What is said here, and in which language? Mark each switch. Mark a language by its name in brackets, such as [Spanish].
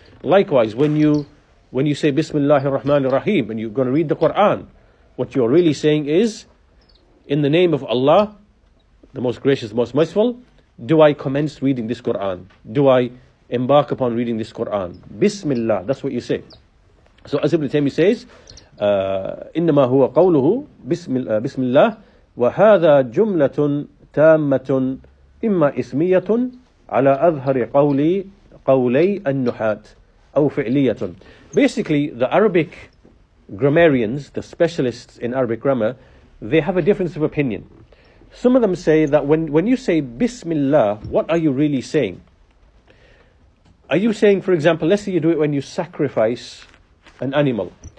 [English] Likewise, when you say Bismillahir Rahmanir Rahim and you're going to read the Quran, what you're really saying is, in the name of Allah, the Most Gracious, the Most Merciful, do I commence reading this Quran? Do I embark upon reading this Quran? Bismillah, that's what you say. So as Ibn Taymiyyah says, [Arabic] إِنَّمَا هُوَ قَوْلُهُ بِسْمِ اللَّهِ وهذا جملة تامة إما اسمية على أظهر قولي النحات أو فعلية. [English] Basically, the Arabic grammarians, the specialists in Arabic grammar, they have a difference of opinion. Some of them say that when you say Bismillah, what are you really saying? Are you saying, for example, let's say you do it when you sacrifice an animal.